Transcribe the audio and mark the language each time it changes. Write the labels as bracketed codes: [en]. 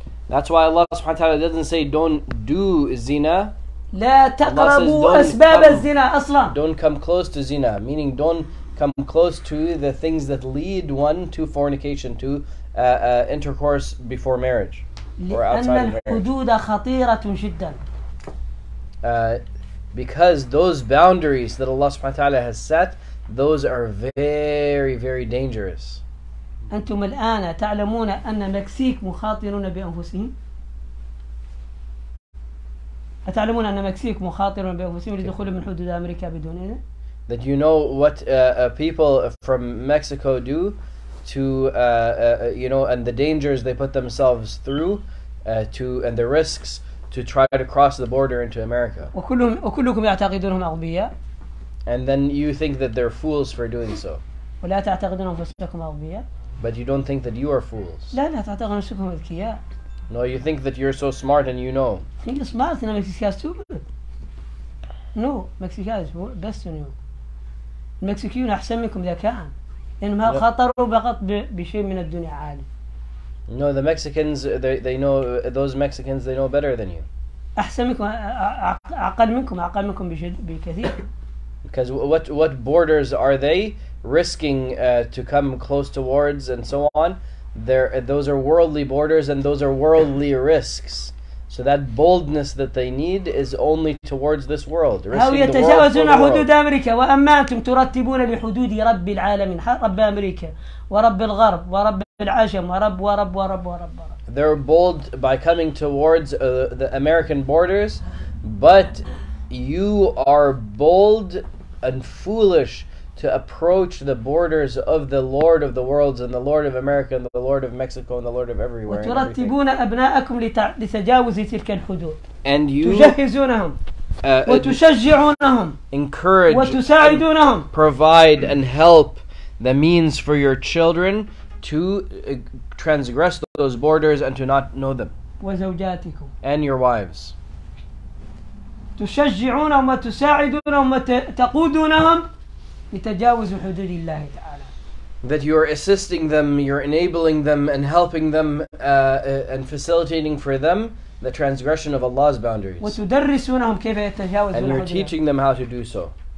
[en] That's why Allah [ar] سبحانه وتعالى [en] doesn't say don't do الزنا. [ar] لا تقربوا أسباب الزنا أصلا. [en] Don't come close to zina, meaning don't come close to the things that lead one to fornication, to intercourse before marriage or outside of marriage. [ar] لأن الحدود خطيرة جدا. [en] Because those boundaries that Allah [ar] سبحانه وتعالى [en] has set, those are very very dangerous. [ar] أنتم الآن تعلمون أن مكسيك مخاطرون بأنفسهم؟ أتعلمون أن مكسيك مخاطرون بأنفسهم لدخول من حدود أمريكا بدون إذن؟ [en] That you know what people from Mexico do to you know and the dangers they put themselves through to and the risks to try to cross the border into America. [ar] وكلكم يعتقدونهم أغبياء. [en] And then you think that they're fools for doing so. [ar] ولا تعتقدون أنفسكم أغبياء. [en] But you don't think that you are fools. [ar] لا لا تعتقد أنفسكم أذكياء. [en] No, you think that you're so smart and you know. Think smart and Mexicans stupid. No, Mexicans best than you. [ar] المكسيكيون أحسن منكم ذكاء. إنهم خاطروا فقط بشيء من الدنيا عالي. [en] No, the Mexicans they know those Mexicans they know better than you. [ar] أحسن منكم أقل منكم بكثير. [en] Because what borders are they risking to come close towards and so on? Those are worldly borders and those are worldly risks. So that boldness that they need is only towards this world. [ar] أو يتجاوزون حدود أمريكا وأما أنتم ترتبون لحدود رب العالمين رب أمريكا ورب الغرب ورب العجم ورب ورب ورب ورب. [en] They're bold by coming towards the American borders, but you are bold and foolish to approach the borders of the Lord of the worlds and the Lord of America and the Lord of Mexico and the Lord of everywhere. [ar] وترتبون أبناءكم لتجاوز تلك الحدود. [en] And you [ar] تجهزونهم وتشجعونهم [en] encourage [ar] وتساعدونهم [en] and provide and help the means for your children to transgress those borders and to not know them. [ar] وزوجاتكم [en] and your wives. [ar] تشجعونهم وتساعدونهم وتقودونهم لتجاوز حدود الله تعالى. [en] That you are assisting them, you're enabling them and helping them and facilitating for them the transgression of Allah's boundaries. And you're teaching them how to do so.